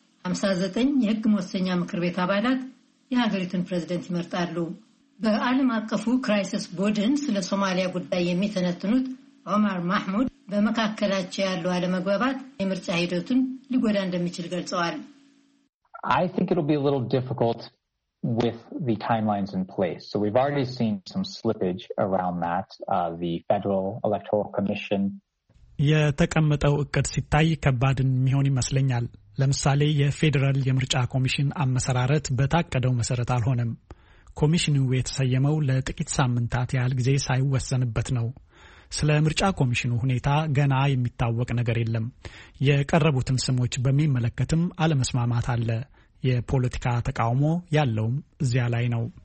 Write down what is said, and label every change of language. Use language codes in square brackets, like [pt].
[am] 59 የህግ መወሰኛ ምክር ቤት አባላት የሀገሪቱን ፕሬዝደንት ይመርጣሉ። በዓለም አቀፉ ክራይሲስ ቡድን ስለ ሶማሊያ ጉዳይ የሚተነትኑት ኦማር ማህሙድ በመካከላቸው ያለው አለመግባባት የምርጫ ሂደቱን ሊጎዳ እንደሚችል ገልጸዋል። [en] I think it'll be a little difficult with the timelines in place. So we've already seen some slippage around that. The Federal Electoral Commission [am] የተቀመጠው እቅድ ሲታይ ከባድ የሚሆን ይመስለኛል። ለምሳሌ የፌደራል የምርጫ ኮሚሽን አመሰራረት በታቀደው መሰረት አልሆነም። ኮሚሽኑ የተሰየመው ለጥቂት ሳምንታት ያህል ጊዜ ሳይወሰንበት ነው። ስለ ምርጫ ኮሚሽኑ ሁኔታ ገና የሚታወቅ ነገር የለም። የቀረቡትም ስሞች በሚመለከትም አለመስማማት አለ። የፖለቲካ ተቃውሞ ያለውም እዚያ ላይ ነው።